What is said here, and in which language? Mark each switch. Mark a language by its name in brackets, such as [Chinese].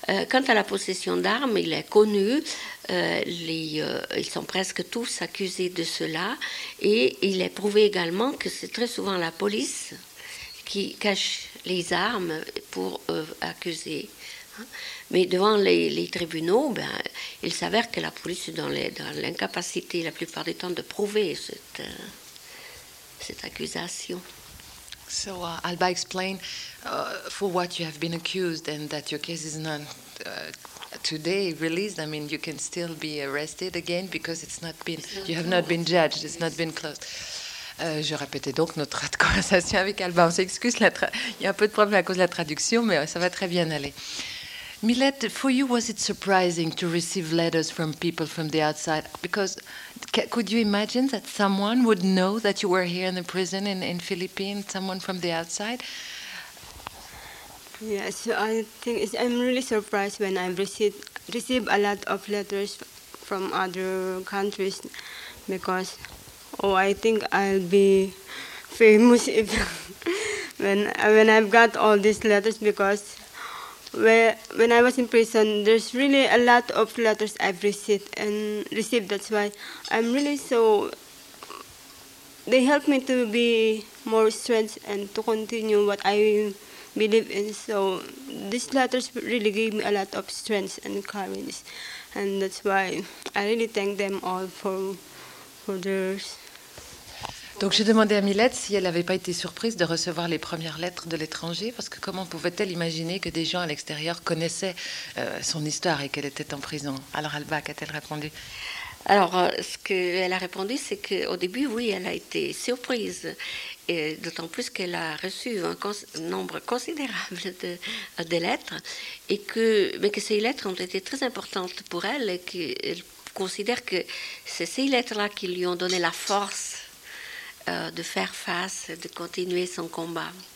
[French] Quant à la possession d'armes, il est connu, ils sont presque tous accusés de cela, et il est prouvé également que c'est très souvent la police qui cache les armes pour accuser. Mais devant les tribunaux, ben, il s'avère que la police est dans l'incapacité la plupart du temps de prouver cette accusation. [English] So Alba, explain for what you have been accused and that your case is not today released. I mean, you can still be arrested again because you have not been judged, it's not been closed. [French] Je répétais donc notre conversation avec Alba. On s'excuse, il y a un peu de problème à cause de la traduction, mais ça va très bien aller. [English] Milet, for you, was it surprising to receive letters from people from the outside? Because could you imagine that someone would know that you were here in the prison in Philippines, someone from the outside? Yes, I think I'm really surprised when I receive a lot of letters from other countries because, I think I'll be famous if when I've got all these letters because... When I was in prison, there's really a lot of letters I've received. That's why I'm really so they help me to be more strength and to continue what I believe in. So these letters really gave me a lot of strength and courage, and that's why I really thank them all for their. [French] Donc je demandais à Millet si elle n'avait pas été surprise de recevoir les premières lettres de l'étranger, parce que comment pouvait-elle imaginer que des gens à l'extérieur connaissaient son histoire et qu'elle était en prison? Alors Alba, qu'a-t-elle répondu? Alors ce qu'elle a répondu, c'est qu'au début, oui, elle a été surprise, et d'autant plus qu'elle a reçu un nombre considérable de lettres, mais que ces lettres ont été très importantes pour elle, et qu'elle considère que c'est ces lettres-là qui lui ont donné la force de faire face, de continuer son combat.